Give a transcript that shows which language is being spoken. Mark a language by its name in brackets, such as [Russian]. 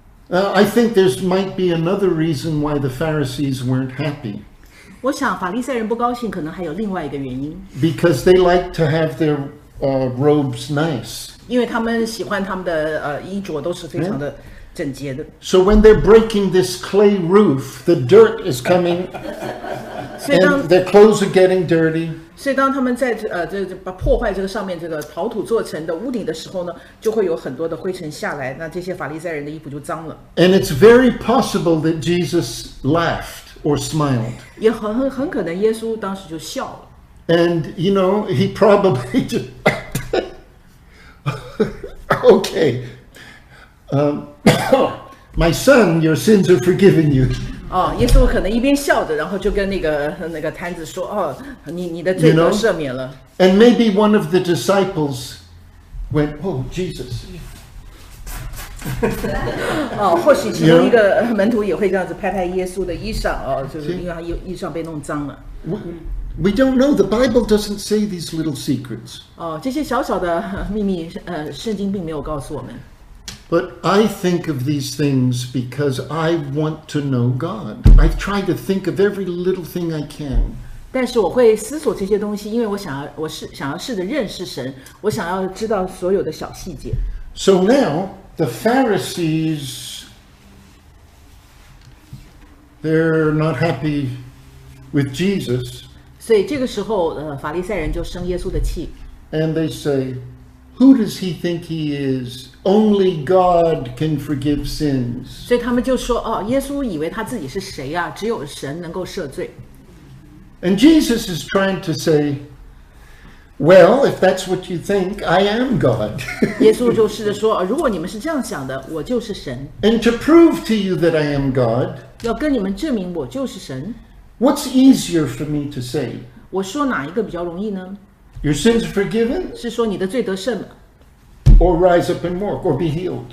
[English] I think there might be another reason why the Pharisees weren't happy. [Chinese] 我想法利赛人不高兴，可能还有另外一个原因。 [English] Because they like to have their robes nice. [Chinese] 因为他们喜欢他们的衣着都是非常的整洁的。 [English] So when they're breaking this clay roof, the dirt is coming, and their clothes are getting dirty. [Chinese] 所以当他们在破坏这个上面这个陶土做成的屋顶的时候呢，就会有很多的灰尘下来，那这些法利赛人的衣服就脏了。 [English] And it's very possible that Jesus laughed or smiled. [Chinese] 也很可能耶稣当时就笑了。 [English] And, you know, he probably just, okay, my son, your sins are forgiven you. [Chinese] 耶稣可能一边笑着，然后就跟那个摊子说，你的罪得赦免了。 [English] You know? And maybe one of the disciples went, oh, Jesus. [Chinese] 或许其中一个门徒也会这样子拍拍耶稣的衣裳，就是因为他衣裳被弄脏了。 [English] We don't know. The Bible doesn't say these little secrets. [Chinese] 这些小小的秘密，圣经并没有告诉我们。 [English] But I think of these things because I want to know God. I try to think of every little thing I can. [Chinese] 但是我会思索这些东西，因为我想要试着认识神，我想要知道所有的小细节。 [English] So now, The Pharisees, they're not happy with Jesus. [Chinese] 所以这个时候，法利赛人就生耶稣的气。 [English] And they say, "Who does he think he is? Only God can forgive sins." [Chinese] 所以他们就说，哦，耶稣以为他自己是谁啊？只有神能够赦罪。 [English] And Jesus is trying to say, "Well, if that's what you think, I am God." [Chinese] 耶稣就试着说，如果你们是这样想的，我就是神。 [English] And to prove to you that I am God, [Chinese] 要跟你们证明我就是神。 [English] What's easier for me to say? [Chinese] 我说哪一个比较容易呢？ [English] Your sins forgiven? [Chinese] 是说你的罪得赦吗？ [English] Or rise up and walk, or be healed?